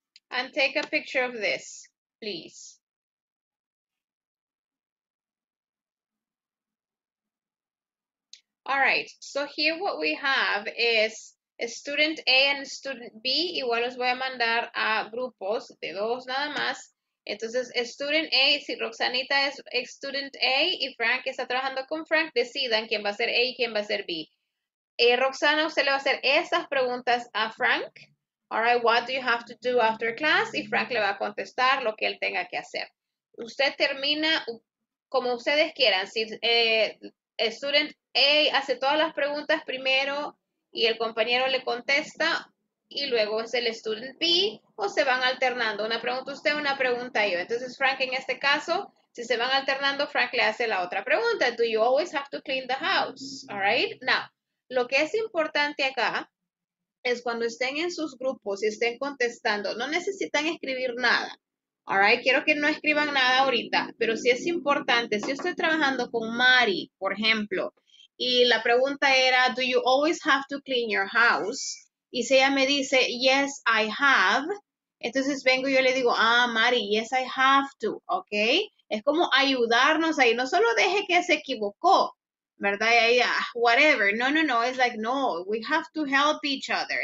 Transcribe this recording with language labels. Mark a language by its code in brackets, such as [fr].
[en] And take a picture of this, please. All right, so here what we have is a student A and student B. [es] Igual los voy a mandar a grupos de dos nada más. Entonces, student A, si Roxanita es student A y Frank está trabajando con Frank, decidan quién va a ser A y quién va a ser B. Roxana, usted le va a hacer esas preguntas a Frank. [en] All right, what do you have to do after class? [es] Y Frank le va a contestar lo que él tenga que hacer. Usted termina como ustedes quieran. Si student A hace todas las preguntas primero y el compañero le contesta y luego es el student B o se van alternando. Una pregunta usted, una pregunta yo. Entonces, Frank, en este caso, si se van alternando, Frank le hace la otra pregunta. [en] Do you always have to clean the house? All right, now. [es] Lo que es importante acá es cuando estén en sus grupos y estén contestando, no necesitan escribir nada. [en] All right, [es] quiero que no escriban nada ahorita, pero sí es importante. Si estoy trabajando con Mari, por ejemplo, y la pregunta era, [en] do you always have to clean your house? [es] Y si ella me dice, [en] yes, I have, [es] entonces vengo y yo le digo, ah, Mari, [en] yes, I have to, [es] ¿ok? Es como ayudarnos ahí, no solo deje que se equivocó. ¿Verdad? [en] Yeah, whatever. [es] No, no, no. [en] It's like, no, we have to help each other.